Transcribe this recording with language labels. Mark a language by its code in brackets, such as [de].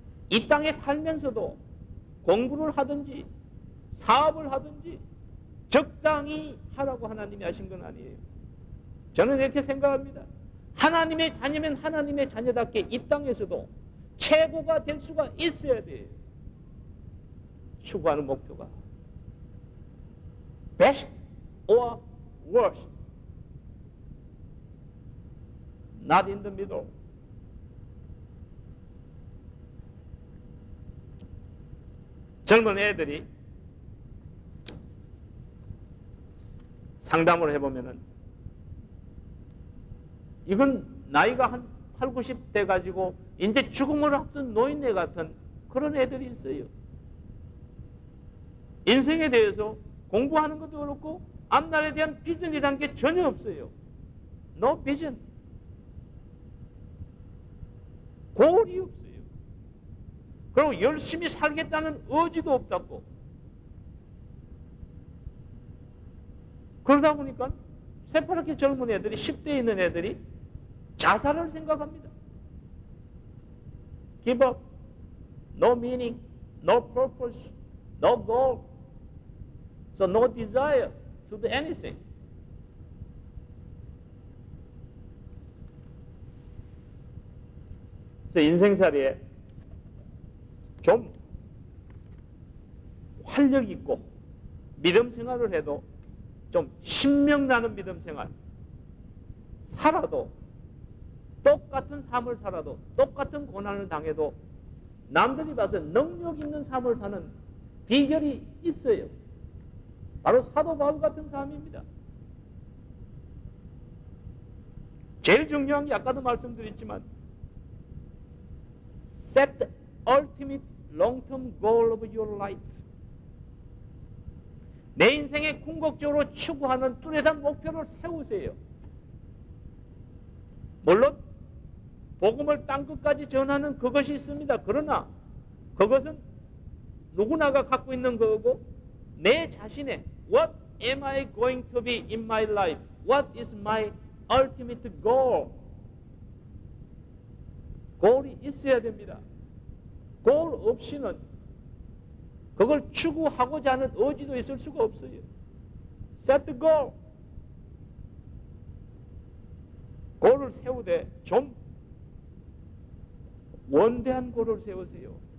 [ko] 이 땅에 살면서도 공부를 하든지 사업을 하든지 적당히 하라고 하나님이 하신 건 아니에요. 저는 이렇게 생각합니다. 하나님의 자녀면 하나님의 자녀답게 이 땅에서도 최고가 될 수가 있어야 돼요. 추구하는 목표가 [en] best or worst, not in the middle. [ko] 젊은 애들이 상담을 해보면은 이건 나이가 한 80, 90대 가지고 이제 죽음을 앞둔 노인네 같은 그런 애들이 있어요. 인생에 대해서 공부하는 것도 그렇고 앞날에 대한 비전이라는 게 전혀 없어요. [en] No vision. [ko] 골이 없어요. 그리고 열심히 살겠다는 의지도 없다고. 그러다 보니까 새파랗게 젊은 애들이, 10대에 있는 애들이 자살을 생각합니다. [en] Give up. No meaning, no purpose, no goal. So no desire to do anything. [ko] 그래서 인생살이에 좀 활력 있고 믿음 생활을 해도 좀 신명나는 믿음 생활 살아도 똑같은 삶을 살아도 똑같은 고난을 당해도 남들이 봐서 능력 있는 삶을 사는 비결이 있어요. 바로 사도 바울 같은 삶입니다. 제일 중요한 게 아까도 말씀드렸지만 [en] set the ultimate long-term goal of your life. [ko] 내 인생에 궁극적으로 추구하는 뚜렷한 목표를 세우세요. 물론 복음을 땅 끝까지 전하는 그것이 있습니다. 그러나 그것은 누구나가 갖고 있는 거고 내 자신의 [en] What am I going to be in my life? What is my ultimate goal? [ko] 골이 있어야 됩니다. 골 없이는 그걸 추구하고자 하는 의지도 있을 수가 없어요. [en] Set the goal. [ko] 골을 세우되 좀 원대한 골을 세우세요.